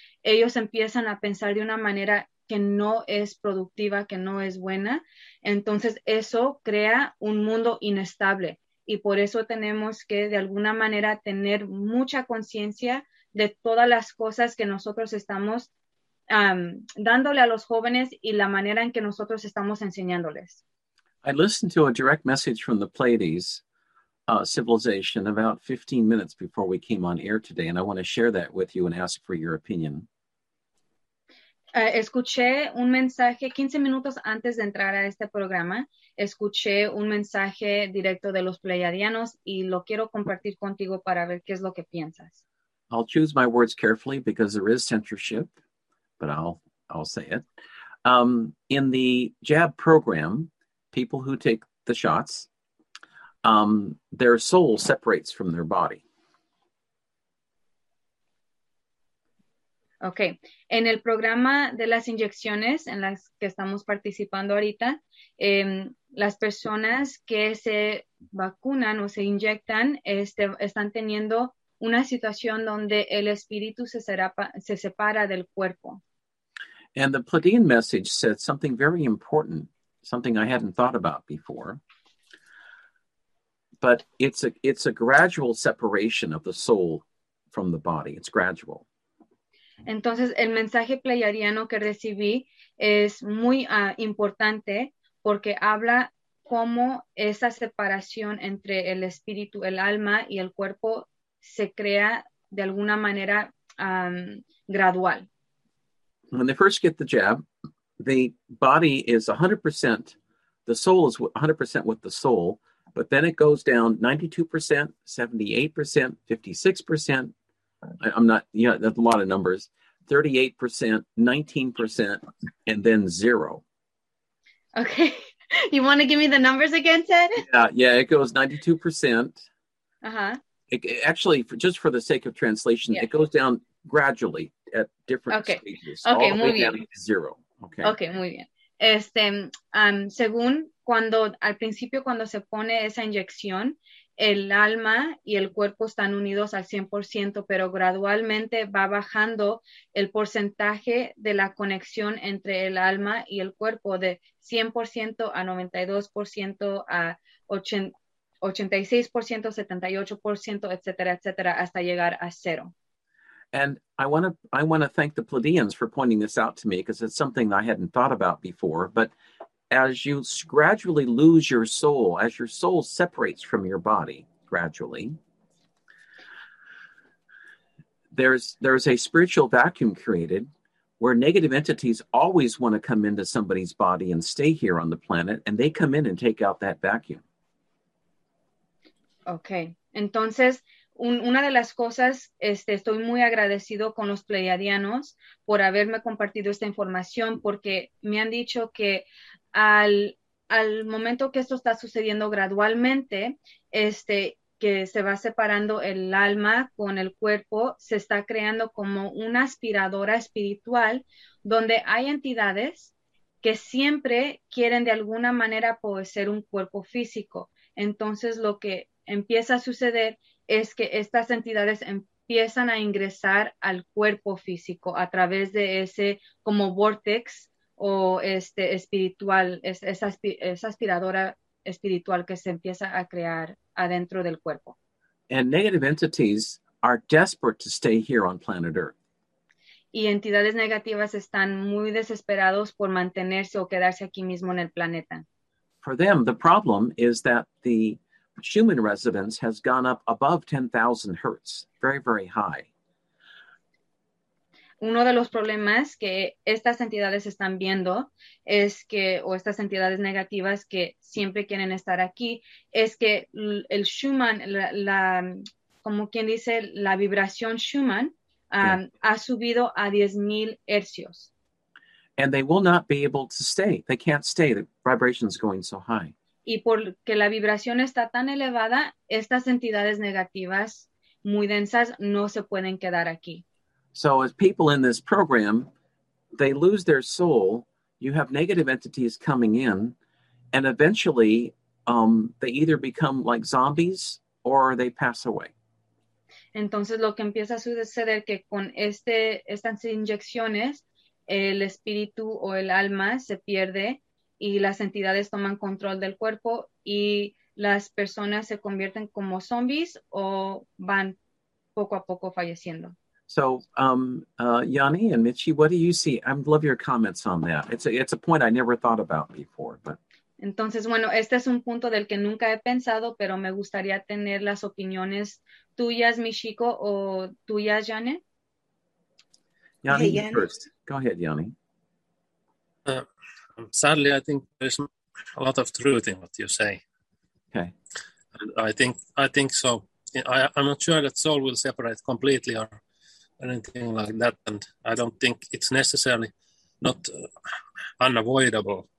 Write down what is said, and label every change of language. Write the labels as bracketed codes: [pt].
[es] ellos empiezan a pensar de una manera que no es productiva, que no es buena, entonces eso crea un mundo inestable y por eso tenemos que de alguna manera tener mucha conciencia de todas las cosas que nosotros estamos dándole a los jóvenes y la manera en que nosotros estamos enseñándoles. [en] I listened to a direct message from the Pleiades civilization about 15 minutes before we came on air today, and I want to share that with you and ask for your opinion. [es] Escuché un mensaje 15 minutos antes de entrar a este programa. Escuché un mensaje directo de los Pleiadianos y lo quiero compartir contigo para ver qué es lo que piensas. [en] I'll choose my words carefully because there is censorship, but I'll say it. In the jab program, people who take the shots, their soul separates from their body. Okay. [es] En el programa de las inyecciones en las que estamos participando ahorita, las personas que se vacunan o se inyectan están teniendo una situación donde el espíritu se separa del cuerpo. [en] And the Pleiadian message said something very important, something I hadn't thought about before. But it's a gradual separation of the soul from the body. It's gradual. [es] Entonces, el mensaje pleiadiano que recibí es muy importante porque habla cómo esa separación entre el espíritu, el alma y el cuerpo se crea de alguna manera gradual. [en] When they first get the jab, the body is 100%, the soul is 100% with the soul, but then it goes down 92%, 78%, 56%. I'm not, you know, that's a lot of numbers. 38%, 19%, and then zero. Okay. You want to give me the numbers again, Ted? Yeah, it goes 92%. Uh-huh. Just for the sake of translation, yeah. It goes down gradually at different okay. stages. Okay, all [es] muy [en] the way [es] bien. [en] Down to zero. Okay. [es] Okay, muy bien. Según cuando, al principio, cuando se pone esa inyección, el alma y el cuerpo están unidos al 100%, pero gradualmente va bajando el porcentaje de la conexión entre el alma y el cuerpo de 100% a 92% a 86%, 78%, etcétera, etcétera, hasta llegar a cero. [en] And I want to thank the Pleiadians for pointing this out to me because it's something I hadn't thought about before. But as you gradually lose your soul, as your soul separates from your body gradually, there's a spiritual vacuum created where negative entities always want to come into somebody's body and stay here on the planet, and they come in and take out that vacuum. [es] Okay, entonces. Una de las cosas, estoy muy agradecido con los pleiadianos por haberme compartido esta información, porque me han dicho que al momento que esto está sucediendo gradualmente, que se va separando el alma con el cuerpo, se está creando como una aspiradora espiritual donde hay entidades que siempre quieren de alguna manera poseer un cuerpo físico. Entonces, lo que empieza a suceder es que estas entidades empiezan a ingresar al cuerpo físico a través de ese como vortex o espiritual, esa aspiradora espiritual que se empieza a crear adentro del cuerpo. [en] And negative entities are desperate to stay here on planet Earth. [es] Y entidades negativas están muy desesperados por mantenerse o quedarse aquí mismo en el planeta. [en] For them, the problem is that the Schumann resonance has gone up above 10,000 hertz, very, very high. [es] Uno de los problemas que estas entidades están viendo es que, o estas entidades negativas que siempre quieren estar aquí, es que el Schumann, como quien dice, la vibración Schumann ha subido a 10,000 hercios. [en] And they will not be able to stay. They can't stay. The vibration is going so high. [es] Y porque la vibración está tan elevada, estas entidades negativas muy densas no se pueden quedar aquí. [en] So as people in this program, they lose their soul, you have negative entities coming in, and eventually they either become like zombies or they pass away. [es] Entonces lo que empieza a suceder que con estas inyecciones, el espíritu o el alma se pierde, y las entidades toman control del cuerpo y las personas se convierten como zombies o van poco a poco falleciendo. [en] So, Janne and Michi, what do you see? I'd love your comments on that. It's a point I never thought about before. But... [es] Entonces, bueno, este es un punto del que nunca he pensado, pero me gustaría tener las opiniones tuyas, Michiko, o tuyas, Janne. [en] Janne, hey, first. Go ahead, Janne. Sadly, I think there's a lot of truth in what you say. Okay. And I think so. I'm not sure that soul will separate completely or anything like that. And I don't think it's necessarily not unavoidable.